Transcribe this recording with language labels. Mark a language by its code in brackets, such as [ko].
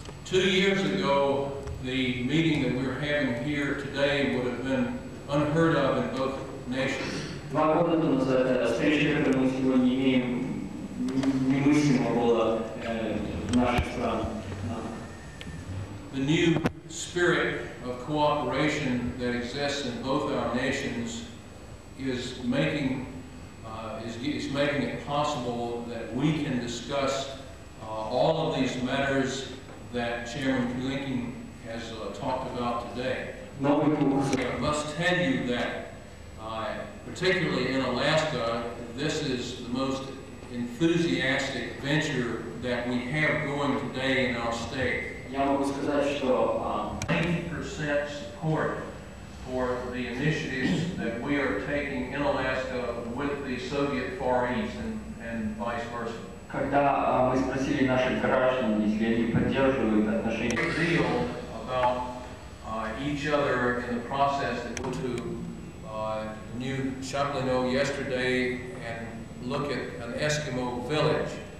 [en] 2 years ago, the meeting that we're having here today would have been unheard of in both nations. [ru] 2 года назад встреча, которую мы сегодня имеем, немыслимо было в наших странах. [en] The new spirit of cooperation that exists in both our nations is making it possible that we can discuss all of these matters that Chairman Klinkin has talked about today. I must tell you that, particularly in Alaska, this is the most enthusiastic venture that we have going today in our state. 90% support for the initiatives that we are taking in Alaska with the Soviet Far East and vice versa. [ru] Когда мы спросили наших граждан, если они поддерживают отношения, [en] feel about each other in the process that go to New Chaplino yesterday and look at an Eskimo village.